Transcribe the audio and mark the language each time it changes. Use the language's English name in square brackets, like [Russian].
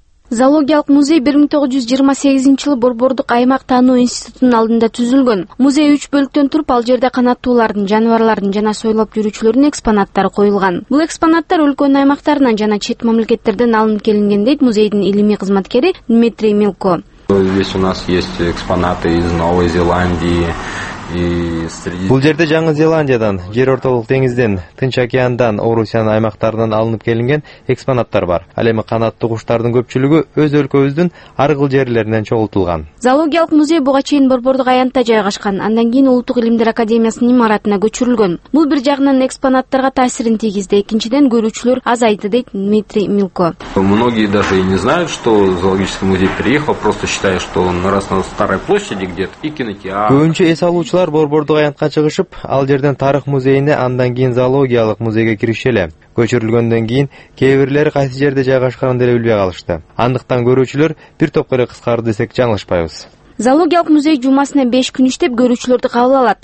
[Kyrgyz] Зоологиялык музей 1928 жылы Борбордук аймак таануу институтунун алдында түзүлгөн. Музей 3 бөлүктөн туруп, ал жерде канаттуулардын, жаныбарлардын жана сойлоп жүрүүчүлөрдүн экспонаттары коюлган. Бул экспонаттар өлкөнүн аймактарынан жана чет мамлекеттерден алынып келинген, дейт музейдин илимий кызматкери Дмитрий Милко. [Russian] Здесь у нас есть экспонаты из Новой Зеландии. [Kyrgyz] Бул жерде Жаңы Зеландиядан, Жер Ортолук Деңизден, Тынч Океандан, Орусиянын аймактарынан алынып келинген экспонаттар бар. Ал эми канаттуу куштардын көпчүлүгү өз өлкөбүздүн ар кыл жерлеринен чогултулган. Зоологиялык музей буга чейин Борбордук аянтта жайгашкан, андан кийин Улуттук Илимдер Академиясынын имаратына көчүрүлгөн. Бул бир жагынан экспонаттарга таасирин тийгизди, экинчиден көрүүчүлөр азайды, дейт Дмитрий Милко. [Russian] Многие даже и не знают, что зоологический музей переехал, просто считая, что он на Красной старой площади где-то и кинотеатр. [Kyrgyz] Учулар Борбордук аянтка чыгышып, ал жерден тарых музейине, андан кийин зоологиялык музейге киришчеле. Көчүрүлгөндөн кийин кээ бирлери кайсы жерде жайгашканын деле билбей калышты. Андыктан көрүүчүлөр бир топко эле кыскарды десек жаңылышпайбыз. Зоологиялык музей жумасына 5 күн иштеп көрүүчүлөрдү кабыл алат.